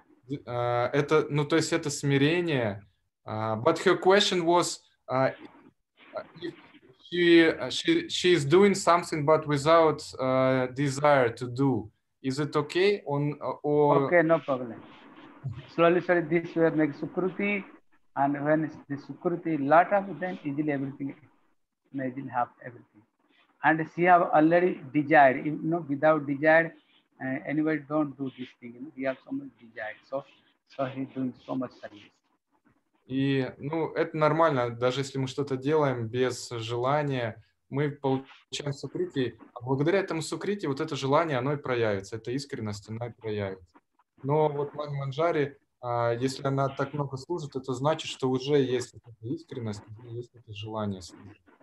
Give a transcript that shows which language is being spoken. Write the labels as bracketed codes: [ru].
[ru] Это, ну, то есть это смирение. [en] But her question was, she is doing something, but without desire to do. Is it okay? Okay, no problem. Slowly, this way makes sukruti, and when the sukruti lot of, then easily everything, imagine have everything. And she have already desired, you know, without desire, anybody don't do this thing, you know, we have so much desire. So he's doing so much service. [ru] И, ну, это нормально, даже если мы что-то делаем без желания, мы получаем сукрити, а благодаря этому сукрити вот это желание, оно и проявится, эта искренность, она и проявится. Но вот Мани Манджари, если она так много служит, это значит, что уже есть эта искренность, уже есть это желание служить.